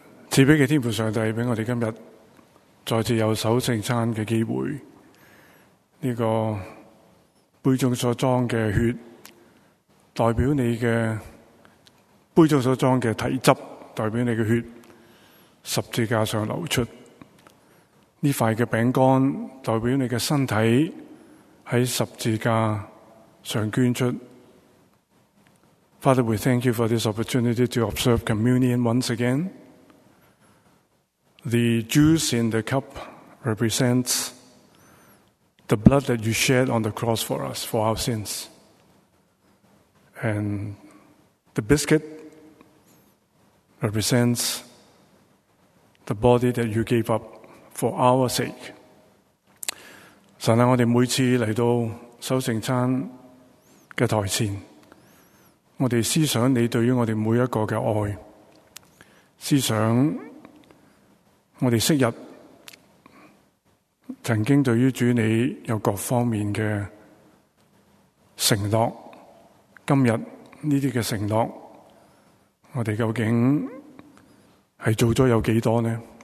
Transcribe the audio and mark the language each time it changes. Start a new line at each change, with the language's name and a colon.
Chinese: 慈悲的天父上帝，给我们今天再次有守圣餐的机会，这个杯中所装的血代表你的，杯中所装的体汁代表你的血十字架上流出，这块的饼干代表你的身体在十字架上捐出。
English: Father, we thank you for this opportunity to observe communion once againThe juice in the cup represents the blood that you shed on the cross for us, for our sins. And the biscuit represents the body that you gave up for our sake.
Chinese: 神啊，我们每次来到守圣餐的台前，我们思想你对于我们每一个的爱，思想我们昔日曾经对于主你有各方面的承诺，今日这些的承诺我们究竟是做了有多少呢？